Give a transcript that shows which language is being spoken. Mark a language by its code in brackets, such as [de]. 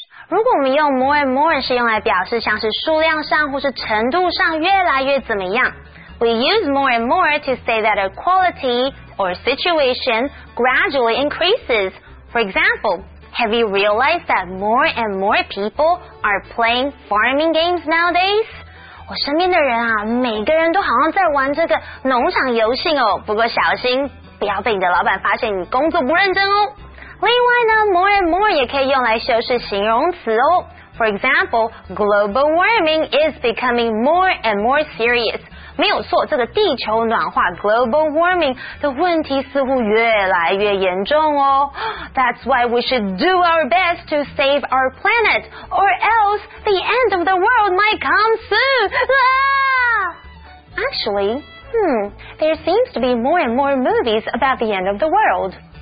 [zh] 如果我们用 more and more 是用来表示像是数量上或是程度上越来越怎么样。 [en] We use more and more to say that a quality or situation gradually increases. For example, have you realized that more and more people are playing farming games nowadays? [zh] 我身边的人啊，每个人都好像在玩这个农场游戏哦，不过小心不要被你的老板发现你工作不认真哦。另外呢， more and more 也可以用来修饰形容词哦。 [en] For example, global warming is becoming more and more serious. [zh] 没有错，这个地球暖化 global warming 的问题似乎越来越严重哦。 [en] That's why we should do our best to save our planet, or else the end of the world might come soon.、Actually, there seems to be more and more movies about the end of the world.